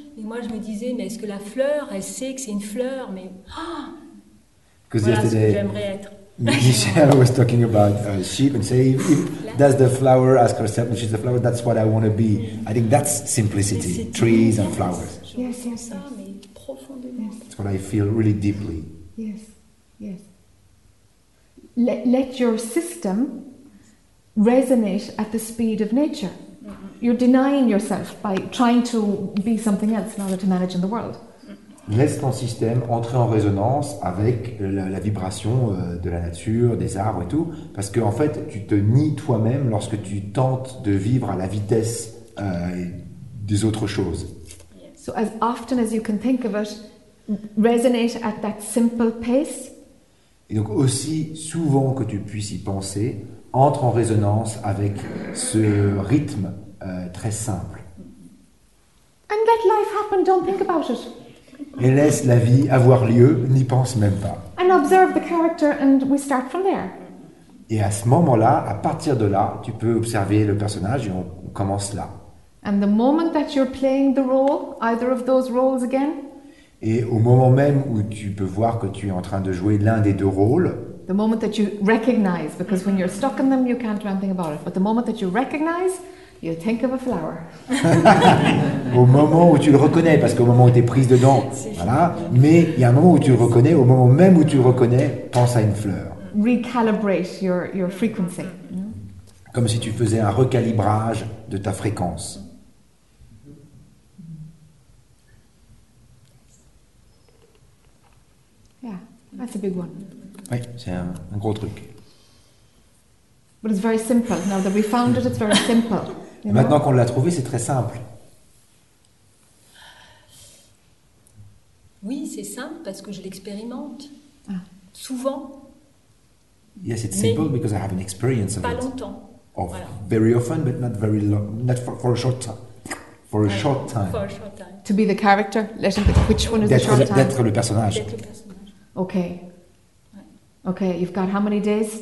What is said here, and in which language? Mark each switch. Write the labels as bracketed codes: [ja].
[fr] Et moi, je me disais, mais est-ce que la fleur, elle sait que c'est une fleur? Mais voilà ce que j'aimerais être. [en] Michel was talking about sheep and say, does the flower ask herself if she's the flower? That's what I want to be. I think that's simplicity, trees and flowers. Yes, yes, That's what I feel really deeply. Yes, yes. Let your system resonate at the speed of nature. You're denying yourself by trying to be something else in order to manage in the world. [fr] Laisse ton système entrer en résonance avec la vibration de la nature, des arbres et tout, parce que en fait, tu te nies toi-même lorsque tu tentes de vivre à la vitesse des autres choses. [en] So as often as you can think of it, resonate at that simple pace. [fr] Et donc aussi souvent que tu puisses y penser, entre en résonance avec ce rythme très simple. [en] And let life happen. Don't think about it. [fr] Et laisse la vie avoir lieu, n'y pense même pas. [en] And observe the character and we start from there. [fr] Et à ce moment-là, à partir de là, tu peux observer le personnage et on commence là. [en] And the moment that you're playing the role, either of those roles again. [fr] Et au moment même où tu peux voir que tu es en train de jouer l'un des deux rôles. [en] The moment that you recognize, because when you're stuck in them, you can't do anything about it. But the moment that you recognize, you think of a flower. [fr] Au moment où tu le reconnais, parce qu'au moment où tu es prise dedans, voilà. Mais il y a un moment où tu le reconnais, au moment même où tu le reconnais, pense à une fleur. [en] Recalibrate your frequency. [fr] Comme si tu faisais un recalibrage de ta fréquence. [en] Yeah, that's a big one. [fr] Oui, c'est un gros truc. [en] But it's very simple. Now that we found it, it's very simple. [fr] Maintenant qu'on l'a trouvé, c'est très simple. Oui, c'est simple parce que je l'expérimente souvent. [en] Yes, it's simple because I have an experience of [fr] pas [en] it. [fr] Pas longtemps. [en] Of voilà. Very often, but not very long. Not for a short time. For a short time. For a short time. To be the character. Which one is the short time? [fr] D'être le personnage. D'être le personnage. [en] Okay. Okay, you've got how many days?